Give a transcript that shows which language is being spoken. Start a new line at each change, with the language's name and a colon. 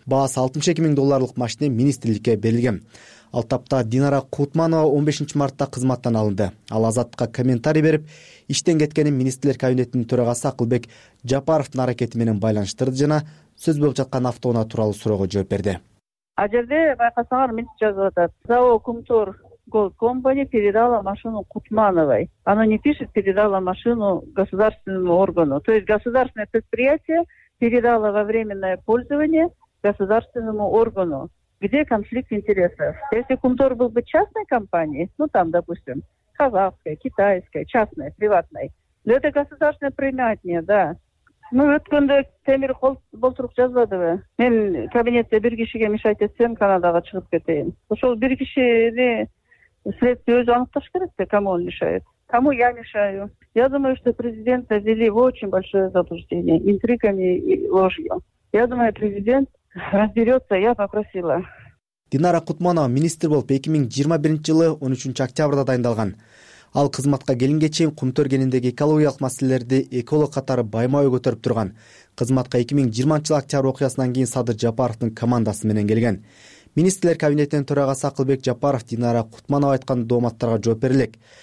Kyrgyz: Баасы 62 000 долларлык машине министрликке берилген. Ал тапта Динара Кутманова 15 мартта кызматтан алынды. Ал Азаттыкка комментарий берип, иштен кеткенин министрлер кабинетинин төрагасы Акылбек Жапаровдун аракети менен байланыштырды жана сөз болуп жаткан автоунаа тууралуу суроого жооп берди. А жерде байкасаңар мен жазып атат.
Russian: ЗАО Кумтөр Голд компания передала машину Кутмановой. Оно не пишет, передала машину государственному органу. То есть государственное предприятие передало во временное пользование государственному органу. Где конфликт интересов? Если Кумтор был бы частной компанией, ну там, допустим, казахская, китайская, частная, приватная. Но это государственное принятие, да.
Kyrgyz: Ну, өткөндө Темир Болтурук жазбадыбы? Мен кабинетте бир кишиге
Russian: мешать
Kyrgyz: этсем, Канадага чыгып кетейин. Ошол бир кишини следствие өзү аныкташ керек да,
Russian: кому он мешает. Кому я мешаю? Я думаю, что президента ввели в очень большое заблуждение, интригами и ложью. Я думаю, президент разберется, я попросила.
Kyrgyz: Динара Кутманова министр болуп 2021 жылы 13 октябрда дайындалган. Ал кызматка келинге чейин Кумтөр кенинде экологиялык маселелерди эколог катары баймай көтөрүп турган. Кызматка 2020 жылы октябрь окуясынан кийин Садыр Жапаровдун командасы менен келген. Министрлер кабинетинин төрагасы Акылбек Жапаров Динара Кутманова айткан дооматтарга жооп бере элек.